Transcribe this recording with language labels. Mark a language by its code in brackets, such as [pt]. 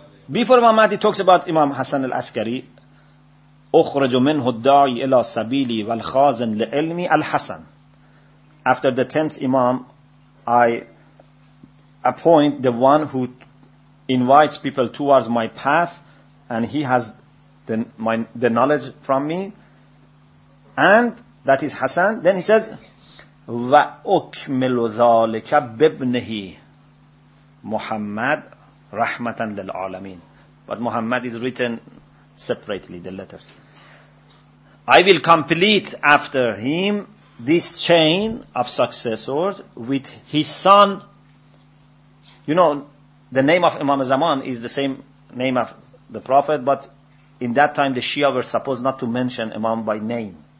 [en] Before Imam Mahdi talks about Imam Hassan al-Askari, [ar] أُخْرَجُ مِنْهُ الدَّاعِ إِلَى سَبِيلِ وَالْخَازِنْ لِعِلْمِ الْحَسَنِ. [en] After the tenth Imam, I appoint the one who invites people towards my path, and he has the knowledge from me, and that is Hassan. Then he says, [ar] وَأُكْمِلُ ذَلِكَ بِبْنِهِ مُحَمَّدْ رَحْمَةً لِلْعَالَمِينَ. [en] But Muhammad is written separately, the letters. I will complete after him this chain of successors with his son. You know, the name of Imam Zaman is the same name of the Prophet, but in that time the Shia were supposed not to mention Imam by name.